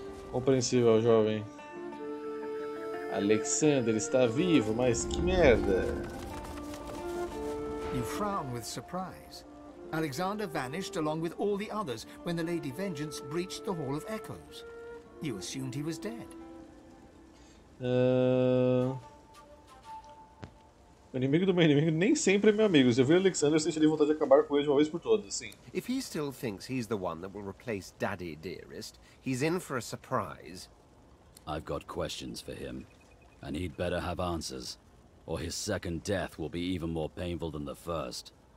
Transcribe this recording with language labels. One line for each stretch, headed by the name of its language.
Portuguese: Compreensível, jovem. Alexander está vivo, mas que merda!
English: You frown with surprise. Alexander vanished along with all the others when the Lady Vengeance breached the Hall of Echoes. You assumed he was dead.
Portuguese: O inimigo do meu inimigo nem sempre é meu amigo. Se eu vi o Alexander, eu sentiria vontade de acabar com ele de uma vez por todas, sim.
English: If he still thinks he's the one that will replace Daddy Dearest, he's in for a surprise. I've got questions for him, and he'd better have answers, or his second death will be even more painful than the first.